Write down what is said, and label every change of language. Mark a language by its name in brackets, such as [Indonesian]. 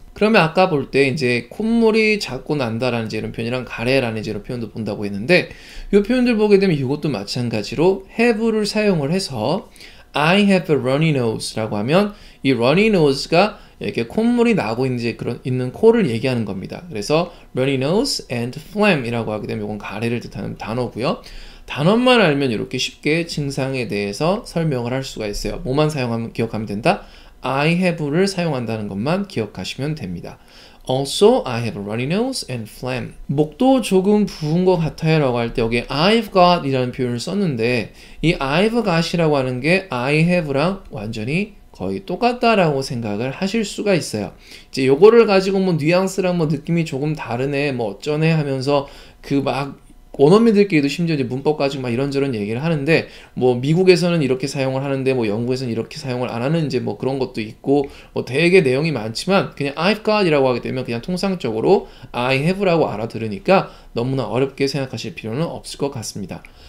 [Korean] 그러면 아까 볼때 이제 콧물이 자꾸 난다라는 이제 이런 표현이랑 가래라는 이제 이런 표현도 본다고 했는데, 이 표현들 보게 되면 이것도 마찬가지로 have를 사용을 해서 I have a runny nose 라고 하면 이 runny nose가 이렇게 콧물이 나고 있는지 그런 있는 코를 얘기하는 겁니다. 그래서 runny nose and phlegm 이라고 하게 되면 이건 가래를 뜻하는 단어고요. 단어만 알면 이렇게 쉽게 증상에 대해서 설명을 할 수가 있어요. 뭐만 사용하면 기억하면 된다? I have 를 사용한다는 것만 기억하시면 됩니다. [English] Also, I have a runny nose and phlegm. [Korean] 목도 조금 부은 것 같아요라고 할때 여기 I've got 이라는 표현을 썼는데, 이 I've got이라고 하는 게 I have 랑 완전히 거의 똑같다라고 생각을 하실 수가 있어요. 이제 요거를 가지고 뭐 뉘앙스랑 뭐 느낌이 조금 다르네, 뭐 어쩌네 하면서 그막 원어민들끼리도 심지어 이제 문법까지 막 이런저런 얘기를 하는데, 뭐 미국에서는 이렇게 사용을 하는데 뭐 영국에서는 이렇게 사용을 안 하는 이제 뭐 그런 것도 있고 뭐 되게 내용이 많지만, 그냥 I've got 이라고 하게 되면 그냥 통상적으로 I have 라고 알아들으니까 너무나 어렵게 생각하실 필요는 없을 것 같습니다.